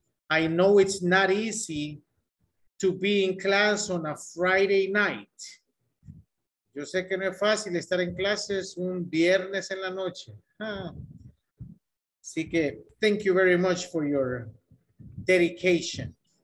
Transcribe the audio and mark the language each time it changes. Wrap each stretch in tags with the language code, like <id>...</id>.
<en>I know it's not easy to be in class on a Friday night.</en> <es>Yo sé que no es fácil estar en clases un viernes en la noche. Así que,</es> <en>thank you very much for your dedication.</en>